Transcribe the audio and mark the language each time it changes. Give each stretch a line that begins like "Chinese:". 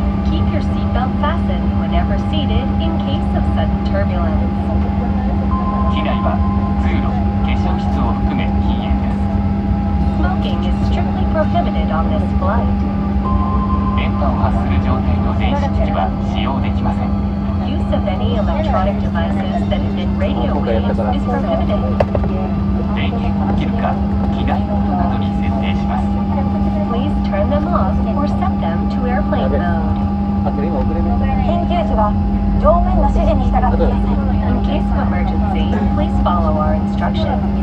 English: Keep your seatbelt fastened whenever seated in case of sudden turbulence.
Japanese: 機内は通路、化粧室を含め禁煙です。
English: Smoking is strictly prohibited on this flight.
Japanese: 電波を発する状態の電子機器は使用できません。
English: Use of any electronic devices that emit radio waves is prohibited.
Japanese: 電源を切るか、機内モードなどに設定します。
English: Please turn them off or set them to airplane mode.
Japanese: 緊急時は、乗務員の指示に従ってください。
English: In case of emergency, please follow our instructions.